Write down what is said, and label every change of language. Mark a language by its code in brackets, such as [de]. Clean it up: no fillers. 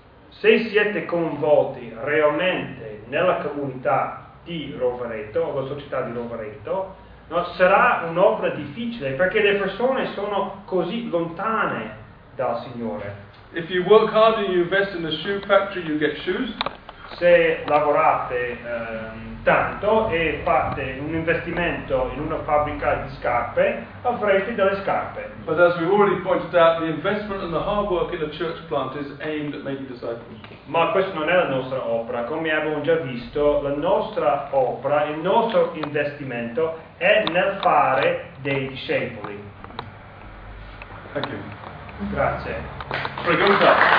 [it] Se siete coinvolti realmente nella comunità di Rovereto, o la società di Rovereto, no, sarà un'opera difficile perché le persone sono così lontane dal Signore. [en] If you work hard and you invest in a shoe factory, you get shoes. [it] Se lavorate tanto e fate un investimento in una fabbrica di scarpe, avrete delle scarpe. [en] But as we've already pointed out, the investment and the hard work in a church plant is aimed at making disciples. [it] Ma questa non è la nostra opera. Come abbiamo già visto, la nostra opera, il nostro investimento è nel fare dei discepoli. [en] Thank you. [it] Grazie. [es] Pregunta.